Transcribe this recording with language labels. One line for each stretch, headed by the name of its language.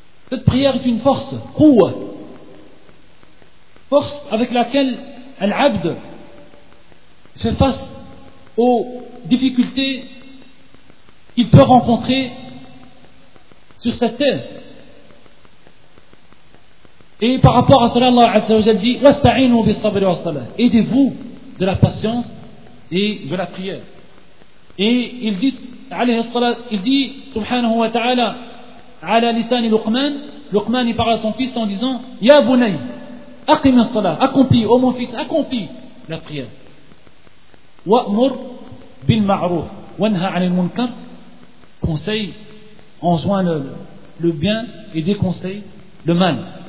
French: Cette prière est une force, quwwa. Force avec laquelle al-abd fait face aux difficultés qu'il peut rencontrer sur cette terre. Et par rapport à cela, Allah Azza wa Jalla dit
Arabic: وَاسْتَعِينُوا بِالصَّبْرِ وَالصَّلَاةِ.
French: Aidez-vous de la patience et de la prière. Et il dit,
Arabic: عليه الصلاة,
French: il dit
Arabic: سبحانه وتعالى على لسان لقمان.
French: Lukman il parle à son fils en disant
Arabic: يَا بُنَيْ أَقِمِ الصَّلَاةِ.
French: Accomplis, ô mon fils, accomplis la prière.
Arabic: وَأْمُرْ بِالْمَعْرُوفِ وَنْهَا عَنِ الْمُنْكَرِ.
French: Conseille, enjoins le bien et déconseille le mal.